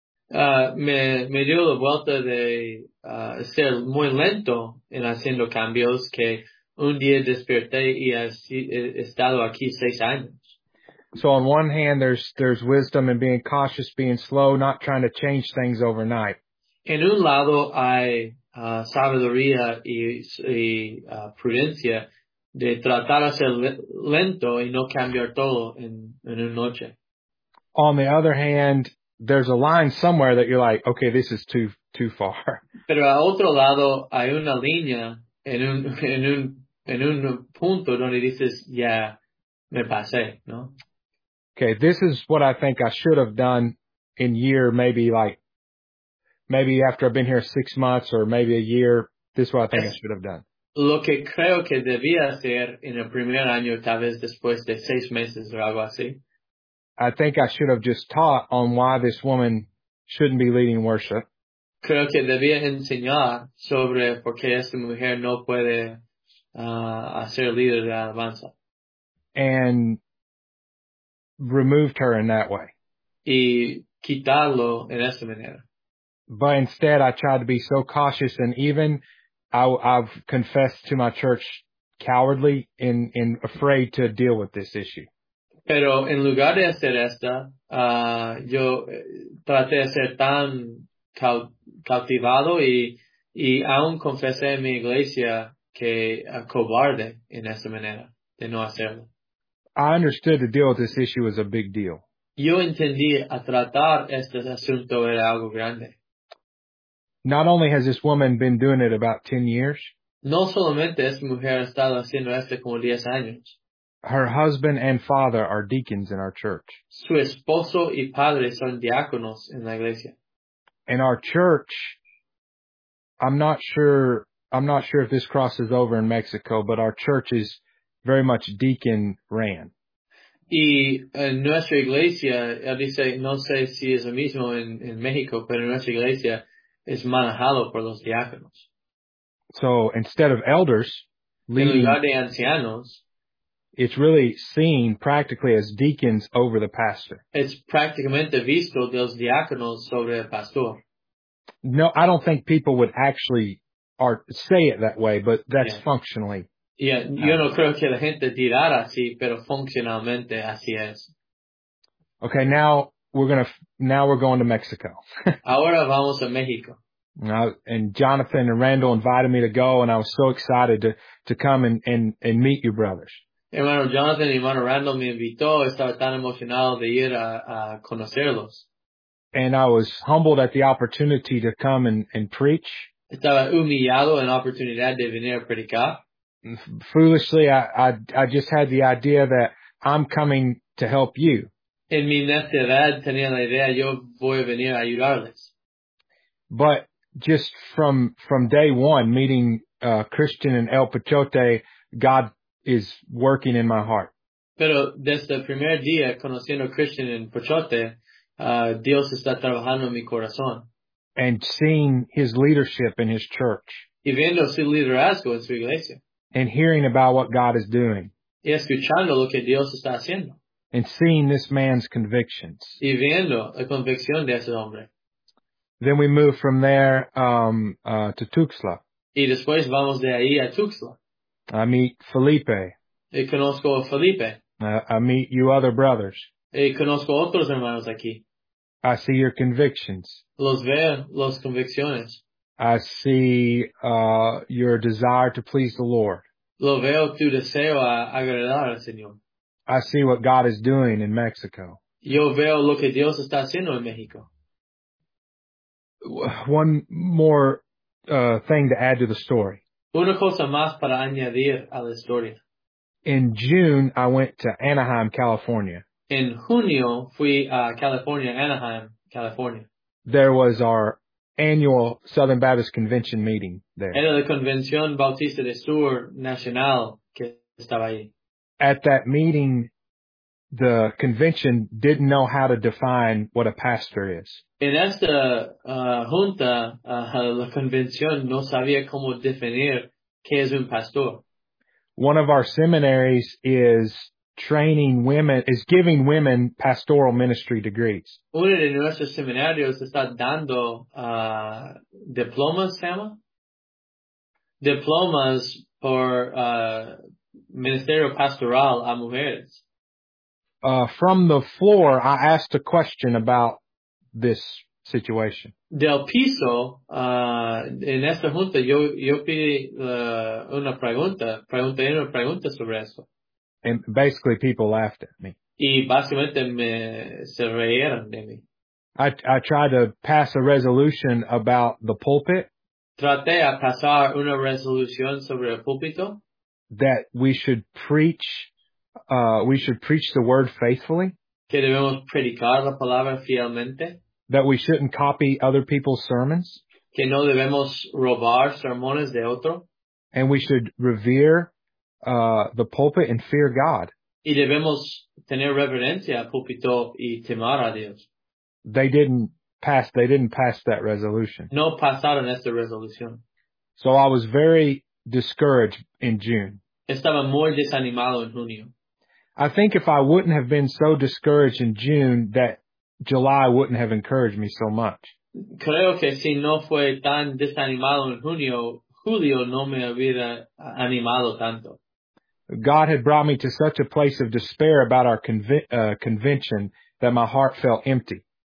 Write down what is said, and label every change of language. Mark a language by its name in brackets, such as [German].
[Spanish] Me dio la vuelta de ser muy lento en haciendo cambios que un día desperté y he estado aquí 6 años. [English] So on one hand, there's wisdom in being cautious, being slow, not trying to change things overnight. [Spanish] En un lado hay sabiduría y prudencia de tratar a ser lento y no cambiar todo en una noche. [English] On the other hand, there's a line somewhere that you're like, okay, this is too far. [Spanish] Pero al otro lado hay una línea en un punto donde dices, ya, me pasé, ¿no? [English] Okay, this is what I think I should have done in year maybe like, maybe after I've been here 6 months or maybe a year, this is what I think I should have done. [Spanish] Lo que creo que debía hacer en el primer año, tal vez después de 6 meses o algo así. [English] I think I should have just taught on why this woman shouldn't be leading worship. [Spanish] Creo que debía enseñar sobre por qué esta mujer no puede hacer líder de alabanza. [English] And removed her in that way. [Spanish] Y quitarlo en esta manera. [English] But instead, I tried to be so cautious, and even I've confessed to my church cowardly in afraid to deal with this issue. [Spanish] Pero en lugar de hacer esta, yo traté de ser tan cautivado y aún confesé en mi iglesia que cobarde en esta manera de no hacerlo. [English] I understood to deal with this issue was a big deal. [Spanish] Yo entendí a tratar este asunto era algo grande. [English] Not only has this woman been doing it about 10 years. [Spanish] No solamente esta mujer ha estado haciendo esto como 10 años. [English] Her husband and father are deacons in our church. [Spanish] Su esposo y padre son diáconos en la iglesia. [English] In our church, I'm not sure if this crosses over in Mexico, but our church is very much deacon ran. [Spanish] Y en nuestra iglesia, él dice, no sé si es lo mismo en México, pero en nuestra iglesia, es manejado por los diáconos. [English] So instead of elders, leading, [Spanish] en lugar de ancianos, [English] it's really seen practically as deacons over the pastor. [Spanish] Es prácticamente visto de los diáconos sobre el pastor. [English] No, I don't think people would actually say it that way, but that's functionally. [Spanish] Yeah, yo no creo que la gente dirá así, pero funcionalmente así es. [English] Okay, now we're going to Mexico. [Spanish] Ahora vamos a México. [English] And Jonathan and Randall invited me to go, and I was so excited to come and meet your brothers. [Spanish] Hermano Jonathan y hermano Randall me invitó. Estaba tan emocionado de ir a conocerlos. [English] And I was humbled at the opportunity to come and preach. [Spanish] Estaba humillado en la oportunidad de venir a predicar. [English] Foolishly, I just had the idea that I'm coming to help you. [Spanish] En mi necedad tenía la idea, yo voy a venir a ayudarles. [English] But just from day one, meeting Christian and El Pachote, God is working in my heart. [Spanish] Pero desde el primer día, conociendo Christian and Pachote, Dios está trabajando en mi corazón. [English] And seeing his leadership in his church. [Spanish] Y viendo su liderazgo en su iglesia. [English] And hearing about what God is doing. [Spanish] Y escuchando lo que Dios está haciendo. [English] And seeing this man's convictions. [Spanish] Y viendo la convicción de ese hombre. [English] Then we move from there to Tuxtla. [Spanish] Y después vamos de ahí a Tuxtla. [English] I meet Felipe. [Spanish] Y conozco a Felipe. [English] I meet you other brothers. [Spanish] Y conozco otros hermanos aquí. [English] I see your convictions. [Spanish] Los veo, las convicciones. [English] I see your desire to please the Lord. [Spanish] Lo veo tu deseo a agradar al Señor. [English] I see what God is doing in Mexico. [Spanish] Yo veo lo que Dios está haciendo en México. [English] One more thing to add to the story. [Spanish] Una cosa más para añadir a la historia. [English] In June, I went to Anaheim, California. [Spanish] En junio, fui a California, Anaheim, California. [English] There was our annual Southern Baptist Convention meeting there. [Spanish] Era la Convención Bautista del Sur Nacional que estaba ahí. [English] At that meeting, the convention didn't know how to define what a pastor is. [Spanish] En esta junta, la convención no sabía cómo definir qué es un pastor. [English] One of our seminaries is training women, is giving women pastoral ministry degrees. [Spanish] Uno de nuestros seminarios está dando diplomas, ¿se llama? Diplomas por ministerio pastoral a mujeres. [English] From the floor, I asked a question about this situation. [Spanish] Del piso, en esta junta, yo pedí una pregunta sobre eso. [English] And basically, people laughed at me. [Spanish] Y básicamente se reían de mí. [English] I tried to pass a resolution about the pulpit. [Spanish] Traté a pasar una resolución sobre el púlpito. [English] That we should preach. We should preach the word faithfully. [Spanish] Que debemos predicar la palabra fielmente. [English] That we shouldn't copy other people's sermons. [Spanish] Que no debemos robar sermones de otro. [English] And we should revere the pulpit and fear God. [Spanish] Y debemos tener reverencia al púlpito y temor a Dios. [English] They didn't pass that resolution. [Spanish] No pasaron esta resolución. [English] So I was very discouraged in June. [Spanish] Estaba muy desanimado en junio. [English] I think if I wouldn't have been so discouraged in June, that July wouldn't have encouraged me so much. [Spanish] Creo que si no fue tan desanimado en junio, julio no me hubiera animado tanto. [English] God had brought me to such a place of despair about our convention that my heart felt empty.